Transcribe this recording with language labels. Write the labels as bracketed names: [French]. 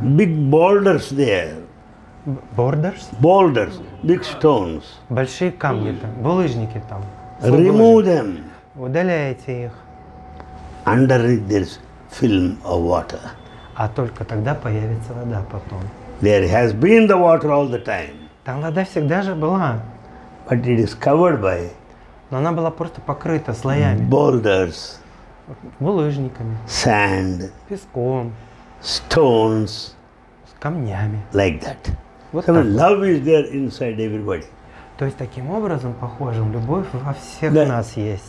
[English] Big boulders there. Boulders? Boulders, big stones. [Russian] Большие камни там, булыжники там. [English] Remove them. [Russian] Удаляете их. [English] Under it there's film of water. [Russian] А только тогда появится вода потом. [English] There has been the water all the time. [Russian] Там вода всегда же была. [English] But it is covered by. [Russian] Но она была просто покрыта слоями. [English] Boulders. [Russian] Булыжниками. [English] Sand. [Russian] Песком. [English] Stones. [Russian] Камнями. [English] Like that. Вот so love is there inside everybody. [Russian] То есть таким образом, похожим, любовь во всех нас есть.